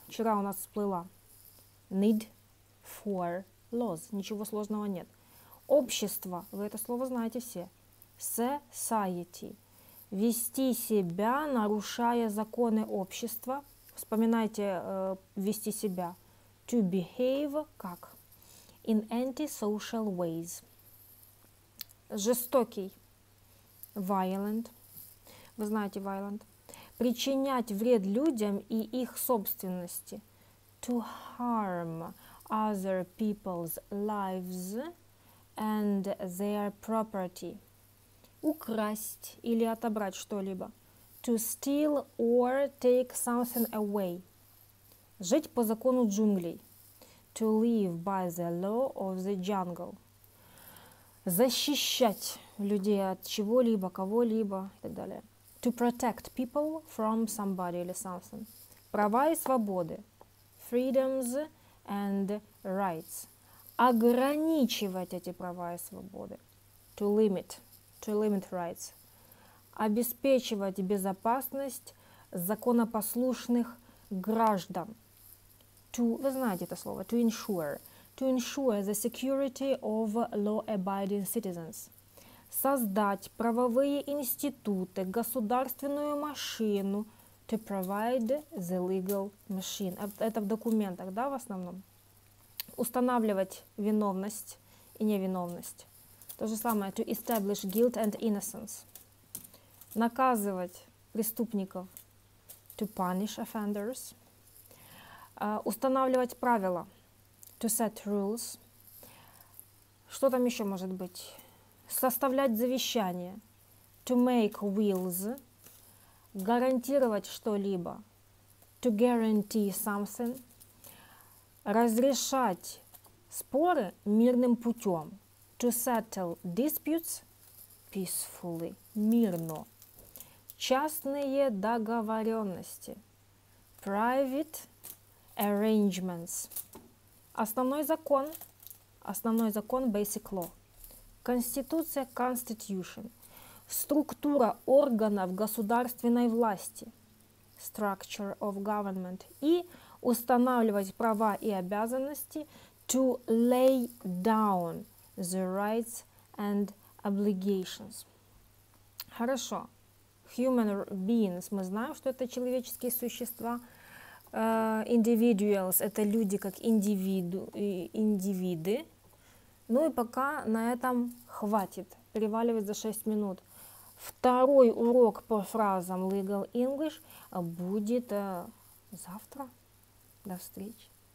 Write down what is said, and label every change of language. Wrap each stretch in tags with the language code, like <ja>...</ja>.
<ru>Вчера у нас всплыла.</ru> <en>Need for laws.</en> <ru>Ничего сложного нет. Общество. Вы это слово знаете все. Society. Вести себя, нарушая законы общества. Вспоминайте вести себя.</ru> <en>To behave</en> <ru>как?</ru> <en>In antisocial ways. Жестокий. Violent.</en> <ru>Вы знаете violent. Причинять вред людям и их собственности.</ru> <en>To harm other people's lives and their property.</en> <ru>Украсть или отобрать что-либо.</ru> <en>To steal or take something away.</en> <ru>Жить по закону джунглей.</ru> <en>To live by the law of the jungle.</en> <ru>Защищать людей от чего-либо, кого-либо и так далее.</ru> <en>To protect people from somebody</en> <ru>или</ru> <en>something.</en> <ru>Права и свободы.</ru> <en>Freedoms and rights.</en> <ru>Ограничивать эти права и свободы.</ru> <en>To limit. To limit rights.</en> <ru>Обеспечивать безопасность законопослушных граждан. To, вы знаете это слово,</ru> <en>to ensure. To ensure the security of law-abiding citizens.</en> <ru>Создать правовые институты, государственную машину.</ru> <en>To provide the legal machine.</en> <ru>Это в документах, да, в основном? Устанавливать виновность и невиновность. То же самое,</ru> <en>to establish guilt and innocence.</en> <ru>Наказывать преступников.</ru> <en>To punish offenders.</en> <ru>Устанавливать правила.</ru> <en>To set rules.</en> <ru>Что там еще может быть? Составлять завещание.</ru> <en>To make wills.</en> <ru>Гарантировать что-либо.</ru> <en>To guarantee something.</en> <ru>Разрешать споры мирным путем.</ru> <en>To settle disputes peacefully.</en> <ru>Мирно. Частные договоренности.</ru> <en>Private arrangements.</en> <ru>Основной закон,</ru> <en>basic law.</en> <ru>Конституция, constitution. Структура органов государственной власти.</ru> <en>Structure of government.</en> <ru>И устанавливать права и обязанности.</ru> <en>To lay down the rights and obligations.</en> <ru>Хорошо.</ru> <en>Human beings.</en> <ru>Мы знаем, что это человеческие существа. Individuals. Это люди как индивиды. Ну и пока на этом хватит. Переваливать за 6 минут. Второй урок по фразам Legal English будет завтра. До встречи.</ru>